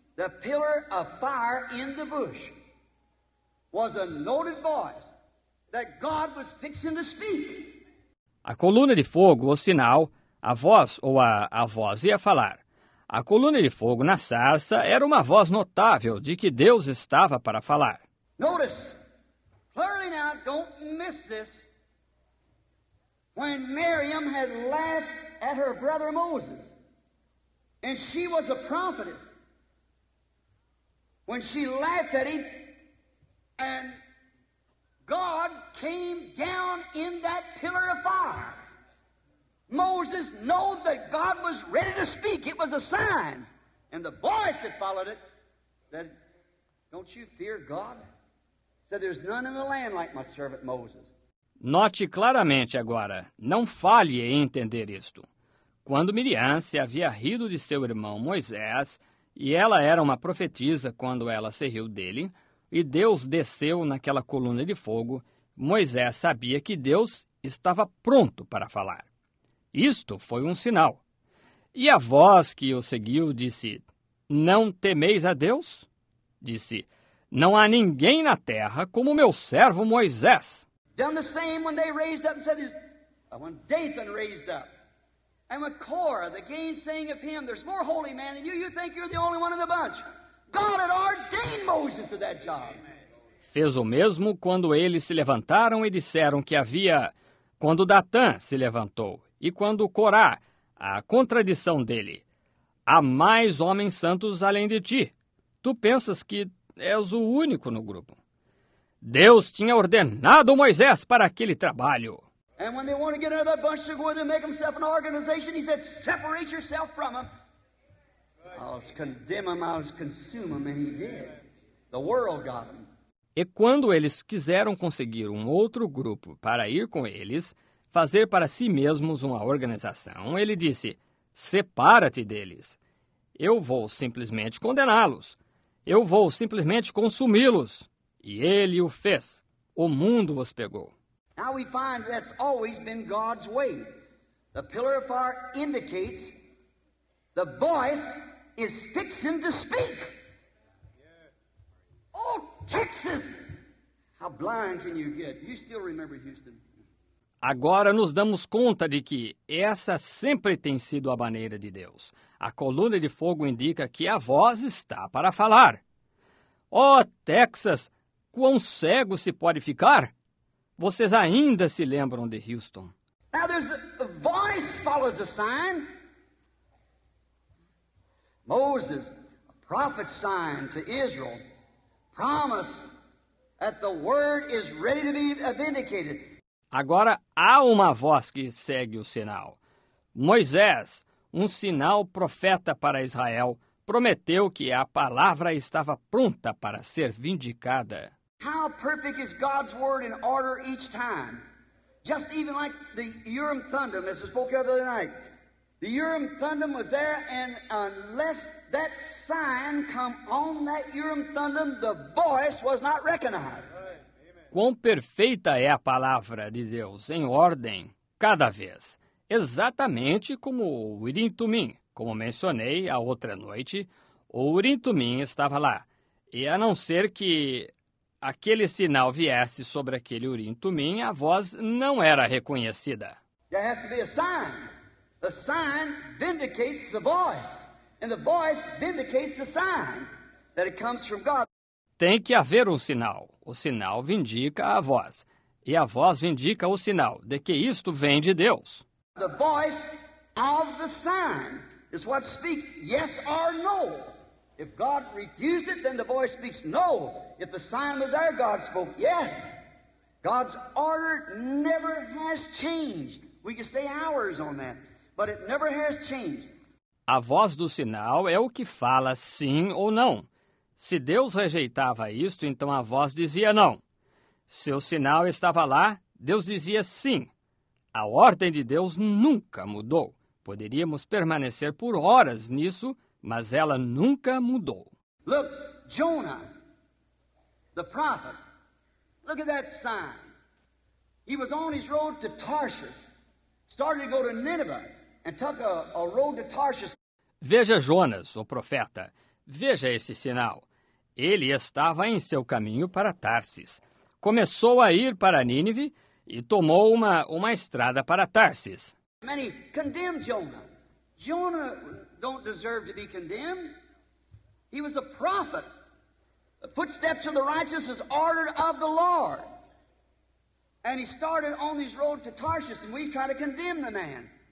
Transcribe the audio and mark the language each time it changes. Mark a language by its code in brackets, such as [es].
[en] The pillar of fire in the bush was a noted voice that God was fixing to speak. [pt] A coluna de fogo, o sinal, a voz ou a voz ia falar. A coluna de fogo na sarça era uma voz notável de que Deus estava para falar. [en] Notice, clearly now, don't miss this. When Miriam had laughed at her brother Moses, and she was a prophetess, when she laughed at him, and God came down in that pillar of fire. Moses knew that God was ready to speak. It was a sign. And the voice that followed it said, "Don't you fear God?" Said, "There's none in the land like my servant Moses." [pt] Note claramente agora, não falhe em entender isto. Quando Miriam se havia rido de seu irmão Moisés, e ela era uma profetisa quando ela se riu dele, e Deus desceu naquela coluna de fogo, Moisés sabia que Deus estava pronto para falar. Isto foi um sinal. E a voz que o seguiu disse, "Não temeis a Deus?" Disse, "Não há ninguém na terra como meu servo Moisés." [en] Done the same when they raised up and said this, when Dathan raised up. And when Korah, the gainsaying of him, there's more holy man than you, you think you're the only one in the bunch. God had ordained Moses to that job. [pt] Fez o mesmo quando eles se levantaram e disseram que havia, quando Datã se levantou. E quando Corá, a contradição dele, há mais homens santos além de ti. Tu pensas que és o único no grupo. Deus tinha ordenado Moisés para aquele trabalho. [en] And when they want to get out of that bunch to go with them, make themselves an organization, he said, "Separate yourself from them." I'll condemn them, I'll consume them, and he did. The world got them. [pt] E quando eles quiseram conseguir um outro grupo para ir com eles, fazer para si mesmos uma organização, ele disse, "Separa-te deles. Eu vou simplesmente condená-los. Eu vou simplesmente consumi-los." E ele o fez. O mundo os pegou. [en] Now we find that's always been God's way. The pillar of fire indicates the voice is fixing to speak. Oh, Texas! How blind can you get? You still remember Houston? [pt] Agora nos damos conta de que essa sempre tem sido a maneira de Deus. A coluna de fogo indica que a voz está para falar. Oh, Texas, quão cego se pode ficar? Vocês ainda se lembram de Houston? [en] Now there's a voice follows a sign. Moses, a prophet sign to Israel, promise that the word is ready to be vindicated. [pt] Agora, há uma voz que segue o sinal. Moisés, um sinal profeta para Israel, prometeu que a palavra estava pronta para ser vindicada. [en] How perfect is God's word in order each time? Just even like the Urim Thummim, as I spoke of the other night. The Urim Thummim was there, and unless that sign come on that Urim Thummim, the voice was not recognized. [pt] Quão perfeita é a palavra de Deus em ordem, cada vez. Exatamente como o Urim Thummim. Como mencionei a outra noite, o Urim Thummim estava lá. E a não ser que aquele sinal viesse sobre aquele Urim Thummim, a voz não era reconhecida. [en] There has to be a sign. The sign vindicates the voice. And the voice vindicates the sign that it comes from God. [pt] Tem que haver um sinal. O sinal vindica a voz. E a voz vindica o sinal de que isto vem de Deus. [en] The voice of the sign is what speaks yes or no. If God refused it, then the voice speaks no. If the sign was there, God spoke yes. God's order never has changed. We could stay hours on that, but it never has changed. [pt] A voz do sinal é o que fala sim ou não. Se Deus rejeitava isto, então a voz dizia não. Se o sinal estava lá, Deus dizia sim. A ordem de Deus nunca mudou. Poderíamos permanecer por horas nisso, mas ela nunca mudou. [en] Look, Jonah, the prophet. Look at that sign. He was on his road to Tarshish, started to go to Nineveh, and took a road to Tarshish. [pt] Veja Jonas, o profeta. Veja esse sinal. Ele estava em seu caminho para Tarsis. Começou a ir para Nínive e tomou uma estrada para Tarsis. [en] Many condemned Jonah. Jonah don't deserve to be condemned. He was a prophet. The footsteps of the righteous is ordered of the Lord. And he started on his road to Tarsis, and we try to condemn the man.